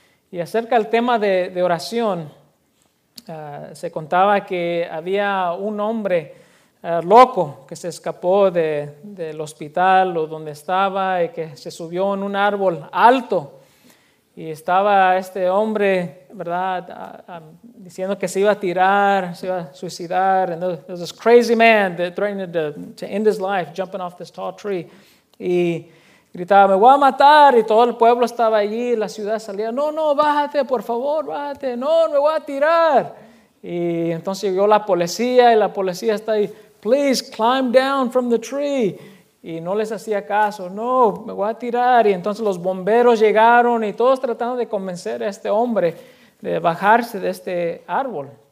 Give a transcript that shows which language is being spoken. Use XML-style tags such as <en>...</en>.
<es>Y acerca del tema de oración, se contaba que había un hombre loco que se escapó del hospital o donde estaba y que se subió en un árbol alto. Y estaba este hombre, ¿verdad?, diciendo que se iba a tirar, se iba a suicidar.</es> <en>And there was this crazy man that threatened to end his life, jumping off this tall tree.</en> <es>Y gritaba, me voy a matar, y todo el pueblo estaba allí, la ciudad salía, no, no, bájate, por favor, bájate, no, me voy a tirar. Y entonces llegó la policía, y la policía está ahí,</es> <en>please climb down from the tree.</en> <es>Y no les hacía caso, no, me voy a tirar. Y entonces los bomberos llegaron, y todos tratando de convencer a este hombre de bajarse de este árbol.</es>